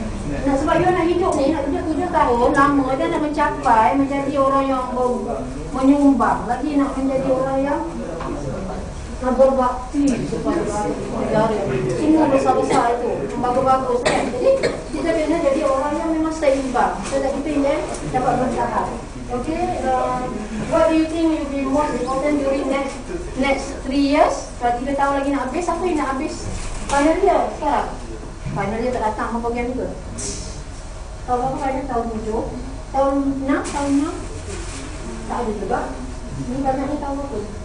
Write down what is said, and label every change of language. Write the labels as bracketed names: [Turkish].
[Malay] Nah, sebab you nak hidup ni, nak kerja 7 tahun lama dan nak mencapai menjadi orang yang menyumbang. Lagi nak menjadi orang yang nak berbakti kepada negara. Semua besar-besar itu bagus-bagus kan. Jadi kita kena jadi orang yang memang seimbang. Kita ingin dapat bertahan. [English] Okay, what do you think will be most important during next 3 years? [Malay] Kalau 3 tahun lagi nak habis, apa yang nak habis? Final year sekarang? Final year tak datang sama program juga. Kalau apa ada tahun 7? Tahun 6? Tak ada juga. Ini banyaknya tahun apa?